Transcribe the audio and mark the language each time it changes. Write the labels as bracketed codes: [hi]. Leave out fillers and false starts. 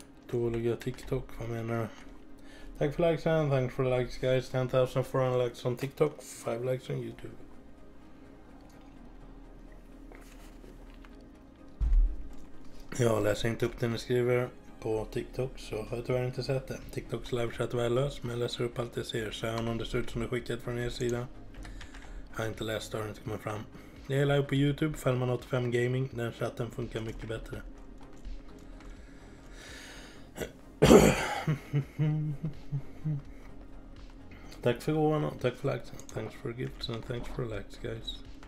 [sv] Dåliga TikTok, vad menar du? Tack för likes [en] and thanks for likes guys. 10,400 likes on TikTok, 5 likes on YouTube. [sv] Jag läser inte upp det ni skriver på TikTok, så har jag tyvärr inte sett det. TikToks livechat är värdelös, men jag läser upp allt jag ser. Så även om det ser ut som det är skickat från er sida. Jag har inte läst det, har inte kommit fram. Det är live på YouTube, 585 Gaming. Den chatten funkar mycket bättre. Tack för gåvan, tack för likes. [en] Thanks for gifts and thanks for likes, guys.